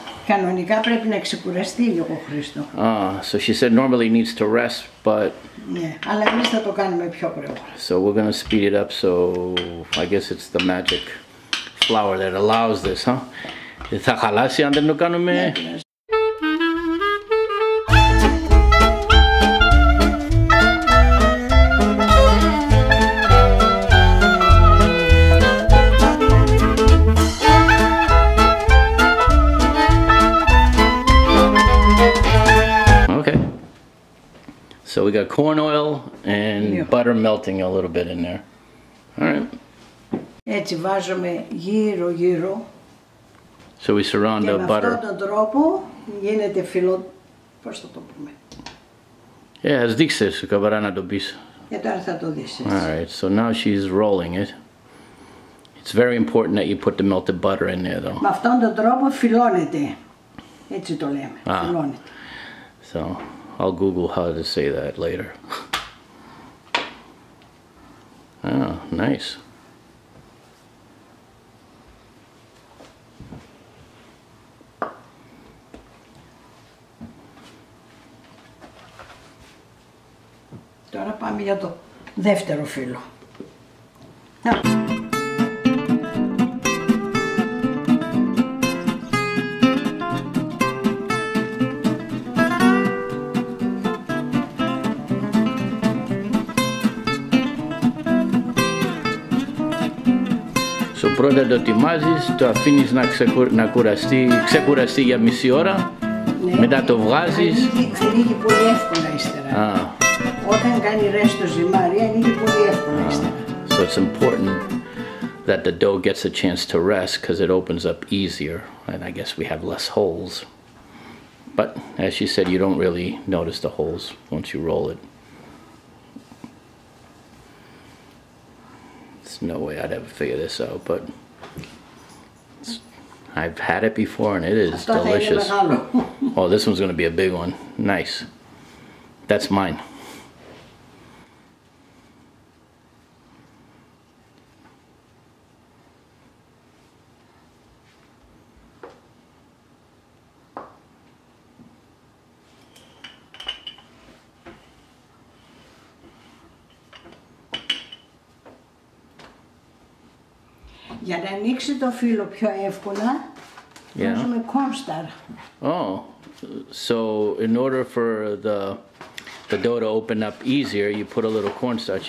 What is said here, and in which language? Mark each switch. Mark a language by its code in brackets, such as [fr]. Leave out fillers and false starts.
[el] Κανονικά πρέπει να ξεκουραστεί λίγο Χρήστο. [en] So she said normally needs to rest, but... [el] Ναι, αλλά εμείς θα το κάνουμε πιο γρήγορα. [en] So we're gonna speed it up, so I guess it's the magic flour that allows this, huh? [el] Θα χαλάσει αν δεν το κάνουμε... [en] So we got corn oil and butter melting a little bit in there. Alright. [el] Έτσι βάζουμε γύρω γύρω. [en] So we surround the butter. [el] Και με αυτόν τον τρόπο γίνεται φιλό... Πώς θα το πούμε. [en] Yeah, [el] ας δείξεις, καβαρά να το πεις. Και τώρα θα το δεις. [en] Alright, so now she's rolling it. It's very important that you put the melted butter in there though. [el] Με αυτόν τον τρόπο φιλώνεται. Έτσι το λέμε. Φιλώνεται. [en] So... I'll Google how to say that later. Oh, nice. [el] Τώρα πάμε για το δεύτερο φύλλο. Πρώτα το ετοιμάζεις, το αφήνεις να, να κουραστεί, ξεκουραστεί για μισή ώρα, ναι, μετά το βγάζεις. Ανοίγει πολύ εύκολα ύστερα. Όταν κάνει ρέστο το ζυμάρι, ανοίγει πολύ εύκολα ύστερα. [en] So it's important that the dough gets a chance to rest because it opens up easier and I guess we have less holes. But as she said, you don't really notice the holes once you roll it. No way I'd ever figure this out, but I've had it before and it is delicious. Oh, this one's gonna be a big one. Nice. That's mine. [el] Για να ανοίξει το φύλλο πιο εύκολα, βάζουμε κόρνσταρ. [en] Oh, so in order for the dough to open up easier, you put a little cornstarch.